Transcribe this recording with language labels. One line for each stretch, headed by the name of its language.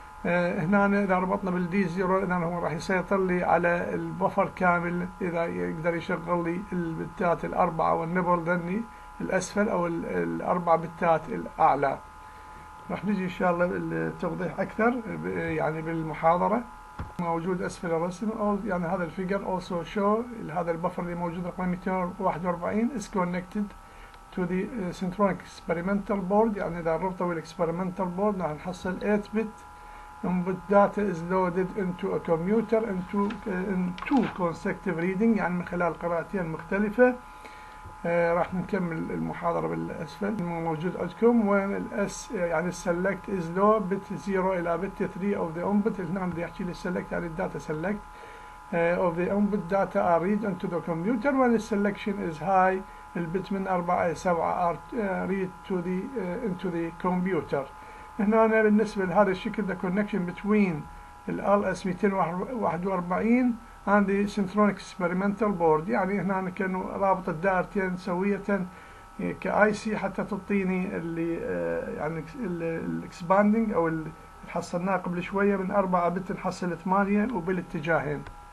Arabic: هنا إذا ربطنا بالدي زيرو إذا هو راح يسيطر لي على البفر كامل، إذا يقدر يشغل لي البتات الأربعة والنبل ذني الأسفل أو الأربعة بتات الأعلى. راح نجي إن شاء الله بالتوضيح أكثر يعني بالمحاضرة. موجود أسفل الرسم يعني هذا الفيجر
English: also show
Arabic: هذا البفر اللي موجود رقم 241
English: is connected to the Centronic experimental board،
Arabic: يعني إذا ربطه بالexperimental board راح نحصل
English: 8 bit input data is loaded into a computer into two consecutive reading،
Arabic: يعني من خلال قراءتين مختلفة. راح نكمل المحاضرة بالأسفل موجود عندكم.
English: when S يعني select is low bit 0 إلى bit 3 of the input،
Arabic: هنا عم بيحكي لي
English: select يعني data select of the input data are read into the computer. when the selection is high البت من 4 إلى 7 are read to the into the computer.
Arabic: هنا أنا بالنسبة لهذا الشكل
English: the connection between the LS 241 and the Synthronic Experimental Board،
Arabic: يعني هنا أنا كانوا رابط الدائرتين سوية كآي سي حتى تعطيني اللي يعني الإكسباندينج أو اللي حصلناه قبل شوية من 4 بت نحصل 8 وبالاتجاهين.